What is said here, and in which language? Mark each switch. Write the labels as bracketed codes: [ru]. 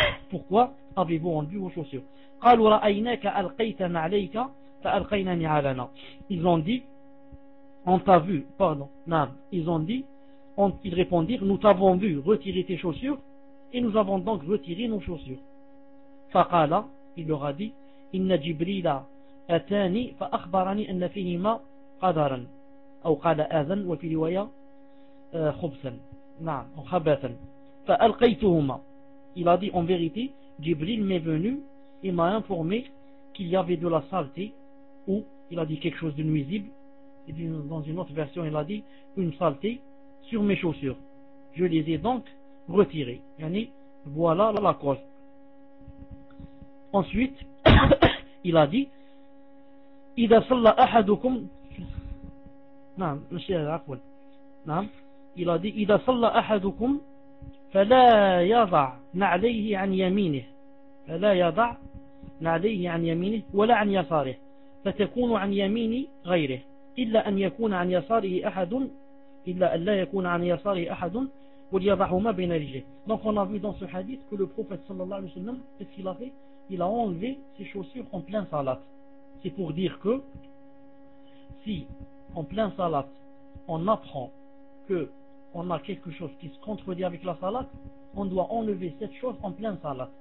[fr] Pourquoi avez-vous enlevé vos chaussures? [ar] قَالُوا رَأَيْنَاكَ أَلْقَيْتَنَا عَلَيْكَ فَأَلْقَيْنَا نِعَالَنَا. [fr] Ils ont dit, on t'a vu, pardon, non, ils ont dit, ils répondirent, nous t'avons vu retirer tes chaussures, et nous avons donc retiré nos chaussures. [ar] فَقَالَ, [fr] il leur a dit, [ar] إِنَّ جِبْرِيلَ أَتَانِي فَأَخْبَرَنِي أَنَّ فِيهِمَا قَدَرًا أو قَالَ أَذًا وَفِي رِوَيَا خُبْسًا نعم أو خَبَثًا فَأَلْقَيْتُهُمَا. [fr] Il a dit, en vérité, Jibril m'est venu et m'a informé qu'il y avait de la saleté, ou il a dit quelque chose de nuisible, et dans une autre version il a dit une saleté sur mes chaussures. Je les ai donc retirées. Yani, voilà la cause. Ensuite, il a dit, [ar] إذا صلى أحدكم نعم مش عفوا نعم إلى دي إذا صلى أحدكم فلا يضع نعليه عن يمينه فلا يضع نعليه عن يمينه ولا عن يساره فتكون عن يمين غيره إلا أن يكون عن يساره أحد إلا أن لا يكون عن يساره أحد وليضعهما بين رجليه. [fr] Donc on a vu dans ce hadith que le prophète sallallahu alayhi wa sallam, qu'est-ce qu'il a fait? Il a enlevé ses chaussures en plein salat. C'est pour dire que si en plein salat on apprend que on a quelque chose qui se contredit avec la salat, on doit enlever cette chose en plein salat.